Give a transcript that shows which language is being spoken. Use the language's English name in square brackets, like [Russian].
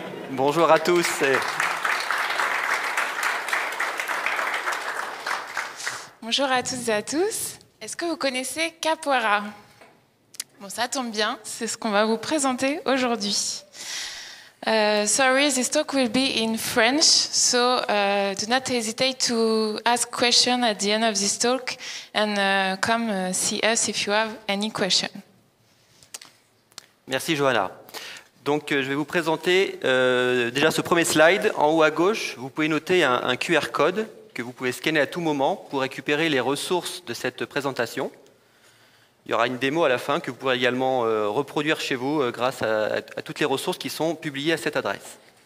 [French] Bonjour à tous. Bonjour à toutes et à tous. Est-ce que vous connaissez Capoeira? Bon, ça tombe bien, c'est ce qu'on va vous présenter aujourd'hui. [English] Sorry, this talk will be in French, so do not hesitate to ask questions at the end of this talk and come see us if you have any question. [French] Merci Johanna. Donc je vais vous présenter déjà ce premier slide. En haut à gauche, vous pouvez noter un QR code que vous pouvez scanner à tout moment pour récupérer les ressources de cette présentation. Il y aura une démo à la fin que vous pourrez également reproduire chez vous grâce à toutes les ressources qui sont publiées à cette adresse.